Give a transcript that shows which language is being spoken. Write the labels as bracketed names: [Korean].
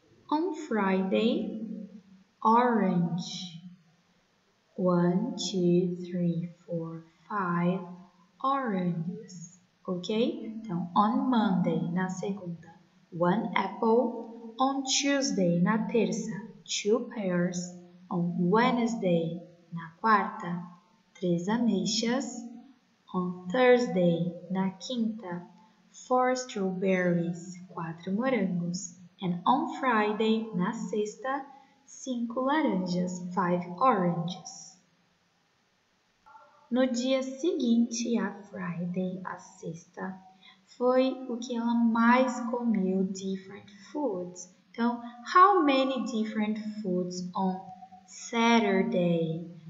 [English] On Friday, orange. One, two, three, four, five oranges. Ok? Então, on Monday, [Portuguese] na segunda, [English] one apple. On Tuesday, [Portuguese] na terça, [English] two pears. On Wednesday, [Portuguese] na quarta, três ameixas. [English] On Thursday, [Portuguese] na quinta, [English] four strawberries, [Portuguese] quatro morangos. [English] And on Friday, [Portuguese] na sexta, cinco laranjas, [English] five oranges. [Portuguese] No dia seguinte, a Friday, a sexta, foi o que ela mais comeu, [English] different foods. Então, how many different foods on Saturday?